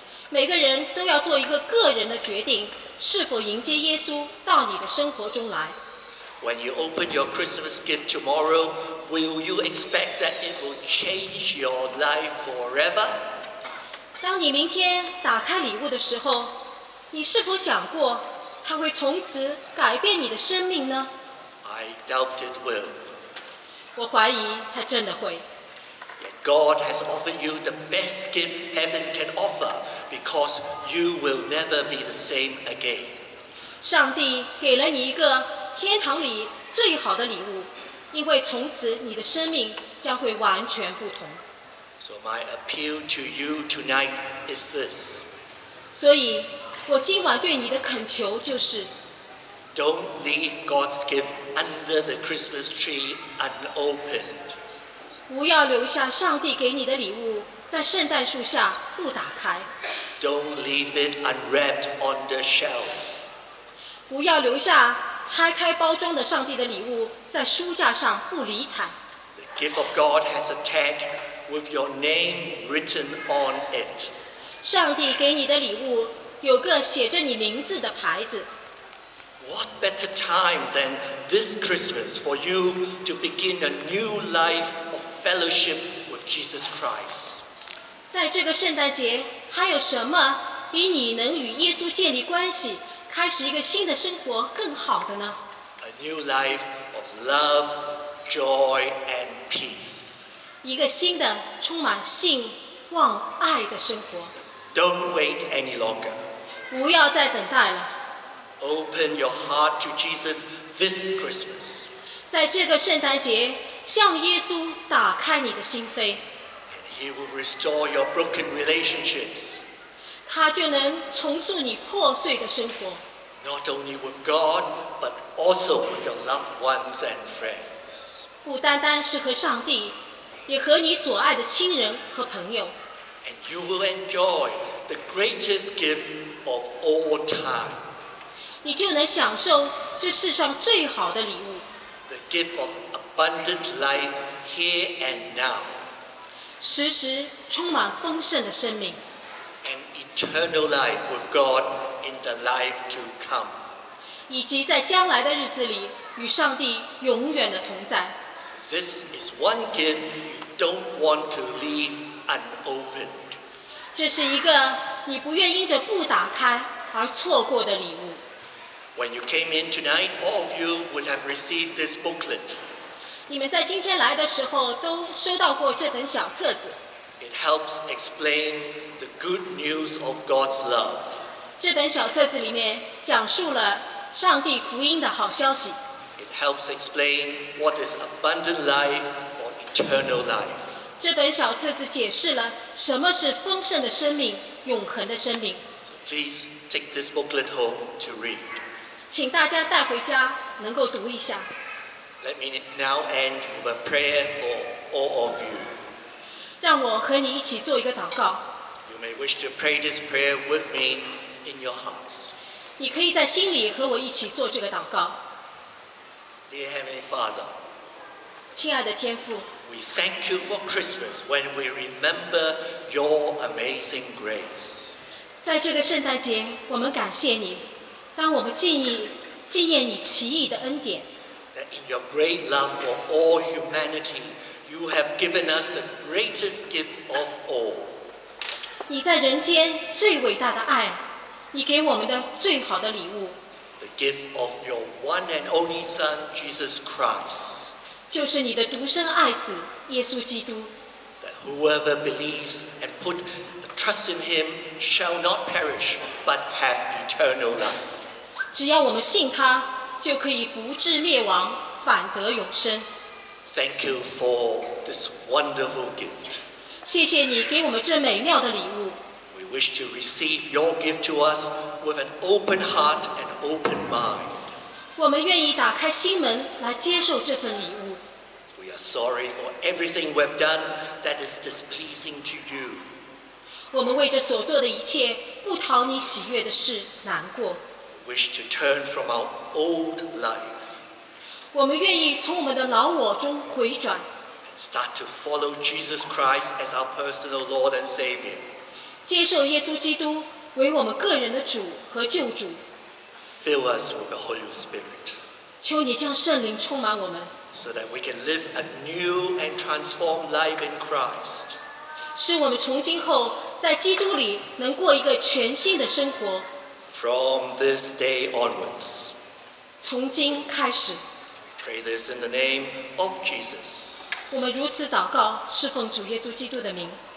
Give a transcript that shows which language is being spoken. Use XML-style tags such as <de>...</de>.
<zh>每个人都要做一个个人的决定，是否迎接耶稣到你的生活中来。</zh> <en>When you open your Christmas gift tomorrow, will you expect that it will change your life forever?</en> <zh>当你明天打开礼物的时候，你是否想过它会从此改变你的生命呢？</zh> <en>I doubt it will.</en> <zh>我怀疑它真的会。</zh> <en>God has offered you the best gift heaven can offer because you will never be the same again.</en> <zh>上帝给了你一个天堂里最好的礼物，因为从此你的生命将会完全不同。</zh> <en>So my appeal to you tonight is this.</en> <zh>所以我今晚对你的恳求就是</zh> <en>Don't leave God's gift under the Christmas tree unopened.</en> <zh>不要留下上帝给你的礼物在圣诞树下不打开。</zh> <en>Don't leave it unwrapped on the shelf.</en> <zh>不要留下拆开包装的上帝的礼物在书架上不理睬。</zh> <en>The gift of God has a tag with your name written on it.</en> <zh>上帝给你的礼物有个写着你名字的牌子。</zh> <en>What better time than this Christmas for you to begin a new life? Fellowship with Jesus Christ.</en> <zh>在这个圣诞节，还有什么比你能与耶稣建立关系，开始一个新的生活更好的呢？</zh> <en>A new life of love, joy, and peace.</en> <zh>一个新的充满信望爱的生活。</zh> <en>Don't wait any longer.</en> <zh>不要再等待了。</zh> <en>Open your heart to Jesus this Christmas.</en> <zh>在这个圣诞节，向耶稣打开你的心扉。</zh> <en>And he will restore your broken relationships.</en> <zh>他就能重塑你破碎的生活。</zh> <en>Not only with God, but also with your loved ones and friends.</en> <zh>不单单是和上帝，也和你所爱的亲人和朋友。</zh> <en>And you will enjoy the greatest gift of all time.</en> <zh>你就能享受这世上最好的礼物。</zh> <en>The gift of abundant life here and now.</en> <zh>时时充满丰盛的生命。</zh> <en>An eternal life with God in the life to come.</en> <zh>以及在将来的日子里与上帝永远的同在。</zh> <en>This is one gift you don't want to leave unopened.</en> <zh>这是一个你不愿因着不打开而错过的礼物。</zh> <en>When you came in tonight, all of you would have received this booklet.</en> <zh>你们在今天来的时候都收到过这本小册子。</zh> <en>It helps explain the good news of God's love.</en> <zh>这本小册子里面讲述了上帝福音的好消息。</zh> <en>It helps explain what is abundant life or eternal life.</en> <zh>这本小册子解释了什么是丰盛的生命、永恒的生命。</zh> <en>So please take this booklet home to read.</en> <zh>请大家带回家，能够读一下。</zh> <en>Let me now end with a prayer for all of you.</en> <zh>让我和你一起做一个祷告。</zh> <en>You may wish to pray this prayer with me in your hearts.</en> <zh>你可以在心里和我一起做这个祷告。</zh> <en>Dear Heavenly Father,</en> <zh>亲爱的天父</zh> <en>，We thank you for Christmas when we remember your amazing grace.</en> <zh>在这个圣诞节，我们感谢你。当我们纪念你奇异的恩典</zh> <en>，That in your great love for all humanity, you have given us the greatest gift of all.</en> <zh>你在人间最伟大的爱，你给我们的最好的礼物</zh> <en>，The gift of your one and only Son, Jesus Christ.</en> <zh>就是你的独生爱子耶稣基督</zh> <en>，That whoever believes and put the trust in Him shall not perish but have eternal life.</en> <zh>只要我们信他，就可以不至灭亡，反得永生。</zh> <en>Thank you for this wonderful gift.</en> <zh>谢谢你给我们这美妙的礼物。</zh> <en>We wish to receive your gift to us with an open heart and open mind.</en> <zh>我们愿意打开心门来接受这份礼物。</zh> <en>We are sorry for everything we've done that is displeasing to you.</en> <zh>我们为着所做的一切不讨你喜悦的事难过。</zh> <en>Wish to turn from our old life.</en> <zh>我们愿意从我们的老我中回转。</zh> <en>And start to follow Jesus Christ as our personal Lord and Savior.</en> <zh>接受耶稣基督为我们个人的主和救主。</zh> <en>Fill us with the Holy Spirit.</en> <zh>求你将圣灵充满我们。</zh> <en>So that we can live a new and transformed life in Christ.</en> <zh>使我们从今后在基督里能过一个全新的生活。</zh> <en>From this day onwards.</en> <zh>从今开始。</zh> <en>Pray this in the name of Jesus.</en> <zh>我们如此祷告，侍奉主耶稣基督的名。</zh>